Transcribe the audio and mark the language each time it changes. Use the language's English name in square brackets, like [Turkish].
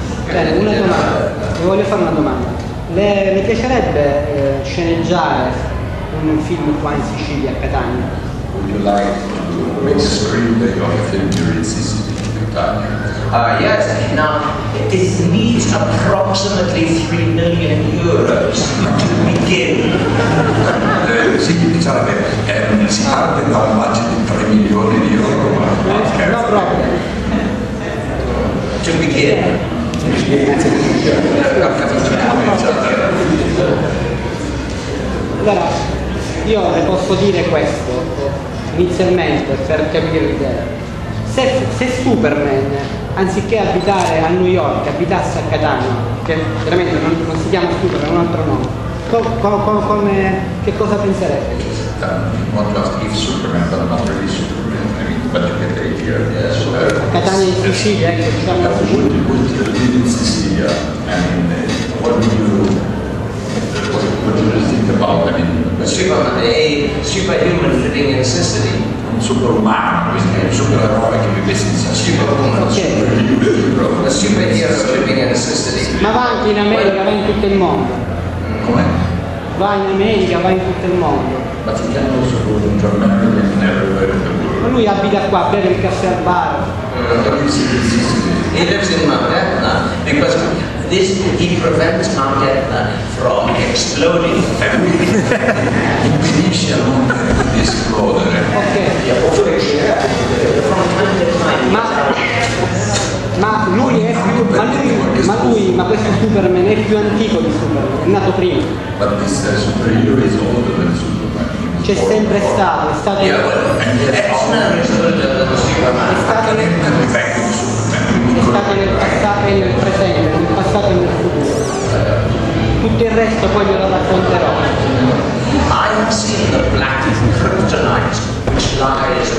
[Italian] Bene, una domanda, vi voglio fare una domanda. Le piacerebbe sceneggiare un film qua in Sicilia, a Catania? [English] Would you like to make a screenplay of a film during Sicily, Catania? Yes, now it needs approximately 3 million euros to begin. [Italian] Sì, diciamo che si parte da un budget di 3 milioni di euro. [English] No, no problem. To begin. [Italian] Allora, io le posso dire questo inizialmente per capire l'idea. Se Superman, anziché abitare a New York, abitasse a Catania, che veramente non si chiama Superman, è un altro nome, che cosa penserebbe? [English] Not just if Superman, but not really Superman. I mean, but you get the idea, yes. [Italian] Catania in Sicilia, ecco, diciamo. [English] Would you live in Sicilia? I mean, what do you think about, I mean? A superhuman living in Sicily. [Italian] Ma va anche in America, va in tutto il mondo. Come? Va in America, va in tutto il mondo. Ma ci chiamano solo un giornale che non è ma lui abita qua, beve il caffè al bar. [English] He lives in Mount Etna because he prevents Mount Etna from exploding. [Italian] Impedisce a Mount Etna di esplodere. Ok. Ma questo Superman è più antico di Superman, è nato prima. [English] But this superhero is older than Superman. [Italian] C'è sempre stato, è stato. [English] Yeah, well, [Italian] è stato nel passato. È stato nel passato e nel presente, nel passato e nel futuro. Tutto il resto poi glielo racconterò. [English] I have seen the black kryptonite which lies